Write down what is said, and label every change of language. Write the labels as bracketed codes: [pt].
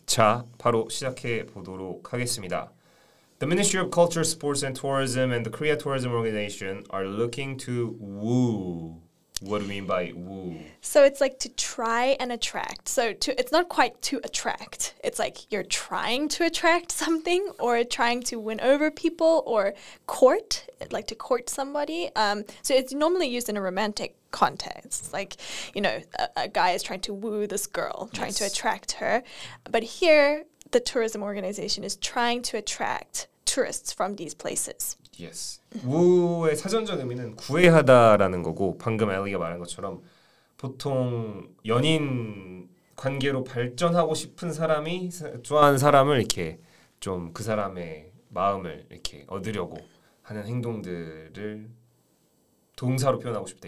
[ko] 자, 바로 시작해 보도록 하겠습니다. [en] The Ministry of Culture, Sports and Tourism and the Korea Tourism Organization are looking to woo. What do you mean by woo? So it's like to try and attract. So to, it's not quite to attract. It's like you're trying to attract something or trying to win over people or court, like to court somebody. So it's normally used in a romantic context. Like, you know, a guy is trying to woo this girl, trying to attract her. But here, the tourism organization is trying to attract tourists from these places. Yes. [ko] Woo의 사전적 의미는 구애하다라는 거고 방금 엘리가 말한 것처럼 보통 연인 관계로 발전하고 싶은 사람이 좋아하는 사람을 이렇게 좀 그 사람의 마음을 이렇게 얻으려고 하는 행동들을 동사로 표현하고 싶다.